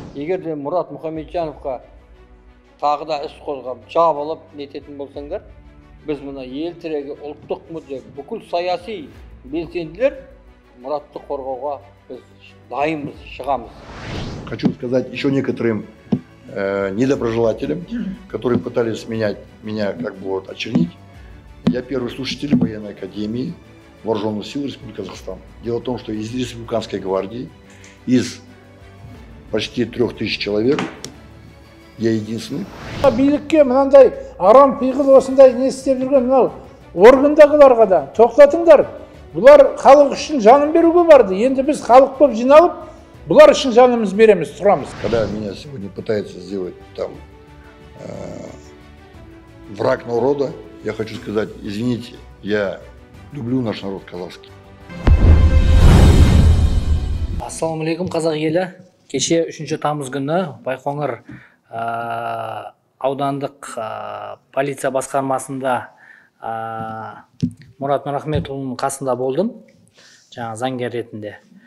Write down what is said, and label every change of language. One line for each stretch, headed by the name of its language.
Kazakh: Если Мурат Мухаметжановка тағы да іс қозғап, жауап алып нететін болсаңдар, біз мына ел тірегі ұлттық мүдде бүкіл саяси белсенділер Мұратты қорғауға біз дайынбыз, шығамыз.
Russian: Хочу сказать еще некоторым недоброжелателям, которые пытались меня как бы вот очернить. Я первый слушатель военной академии вооруженных сил Республики Казахстан. Дело в том, что из Республиканской гвардии, из почти 3000 человек, я единственный.
Kazakh: Билікке мынандай арам пиғыл осындай не істеп жүрген мынау органдағыларға да тоқтатыңдар. Бұлар халық үшін жанын беруге барды. Енді біз халық боп жиналып, бұлар үшін жанымыз береміз, тұрамыз.
Russian: Когда меня сегодня пытаются сделать там враг народа, я хочу сказать, извините, я люблю наш народ казахский.
Kazakh: Ассаламу алейкум, қазақ елі. Кеше 3 тамыз күні Байқоңыр аудандық полиция басқармасында Мұрат Нұрахметұлының қасында болдым, жаңа заңгер ретінде.